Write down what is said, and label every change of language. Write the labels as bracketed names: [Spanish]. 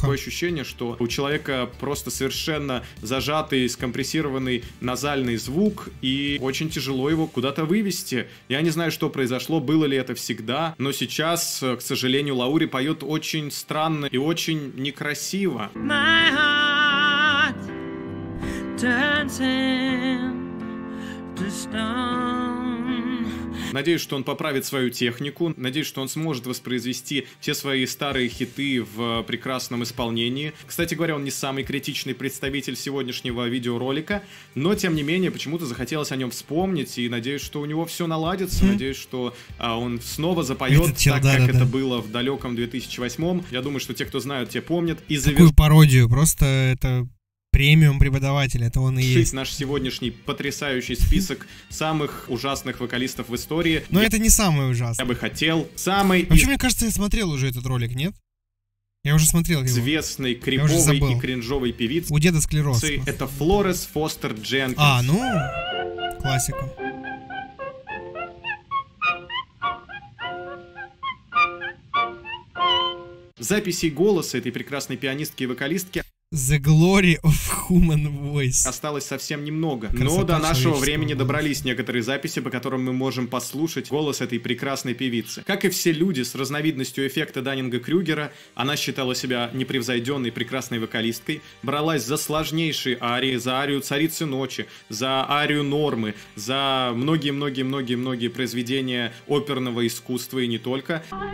[Russian] Такое ощущение, что у человека просто совершенно зажатый, скомпрессированный назальный звук, и очень тяжело его куда-то вывести. Я не знаю, что произошло, было ли это всегда, но сейчас, к сожалению, Лаури поет очень странно и очень некрасиво. [English] My heart turns into stone. [Russian] Надеюсь, что он поправит свою технику. Надеюсь, что он сможет воспроизвести все свои старые хиты в прекрасном исполнении. Кстати говоря, он не самый критичный представитель сегодняшнего видеоролика, но, тем не менее, почему-то захотелось о нем вспомнить, и надеюсь, что у него все наладится. Надеюсь, что он снова запоет этот так, как это было в далеком 2008-м. Я думаю, что те, кто знают, те помнят. И такую пародию, просто это... премиум преподаватель, это он и есть. Наш сегодняшний потрясающий список самых ужасных вокалистов в истории. Но это не самый ужасный. Я бы хотел самый... Вообще, мне кажется, я смотрел уже этот ролик, нет? Я уже смотрел его. Известный, криповый и кринжовый певиц. У деда склероз. Это Флорес Фостер Дженкинс. А, ну, классика. Записи голоса этой прекрасной пианистки и вокалистки... [English] The glory of human voice. [Russian] Осталось совсем немного. Красота, но до нашего времени голос. Добрались некоторые записи, по которым мы можем послушать голос этой прекрасной певицы. Как и все люди с разновидностью эффекта Даннинга-Крюгера, она считала себя непревзойденной прекрасной вокалисткой, бралась за сложнейшие арии, за арию «Царицы ночи», за арию «Нормы», за многие-многие-многие-многие произведения оперного искусства и не только.